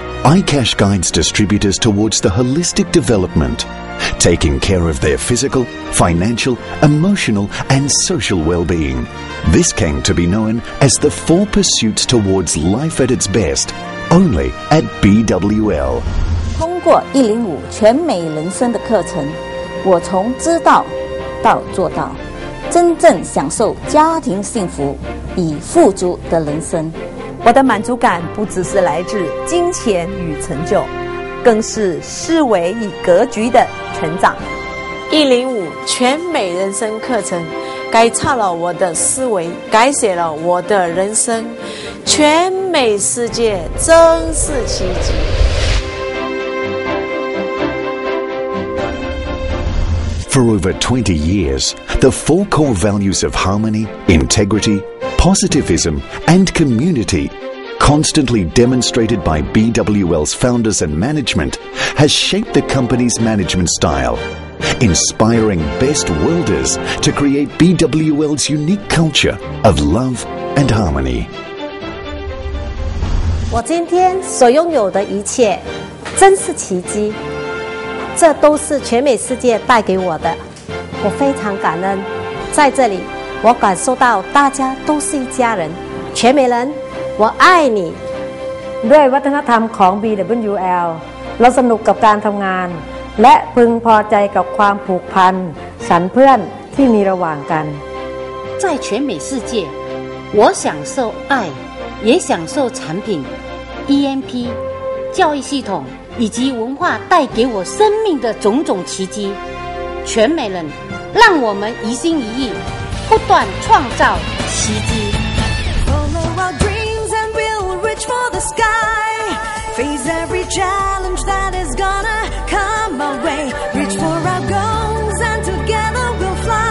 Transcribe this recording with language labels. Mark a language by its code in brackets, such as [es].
[en] iCash guides distributors towards the holistic development, taking care of their physical, financial, emotional, and social well-being. This came to be known as the four pursuits towards life at its best, only at BWL. [zh] 通过105全美人生的课程，我从知道到做到。真正享受家庭幸福与富足的人生我的满足感不只是来自金钱与成就更是思维与格局的成长 105全美人生课程改造了我的思维改写了我的人生全美世界真是奇迹 [en] For over 20 years, the four core values of harmony, integrity, positivism, and community, constantly demonstrated by BWL's founders and management, has shaped the company's management style, inspiring best worlders to create BWL's unique culture of love and harmony. [zh] 我今天所拥有的一切真是奇迹。这都是全美世界带给我的我非常感恩在这里我感受到大家都是一家人全美人我爱你 [th] ด้วยวัฒนธรรมของ BWL เราสนุกกับการทำงานและพึงพอใจกับความผูกพันฉันเพื่อนที่มีระหว่างกัน [zh] 在全美世界我享受爱也享受产品 EMP 教育系统以及文化带给我生命的种种奇迹全美人让我们一心一意不断创造奇迹 [en] Follow our dreams and we'll reach for the sky Face every challenge that is gonna come our way Reach for our goals and together we'll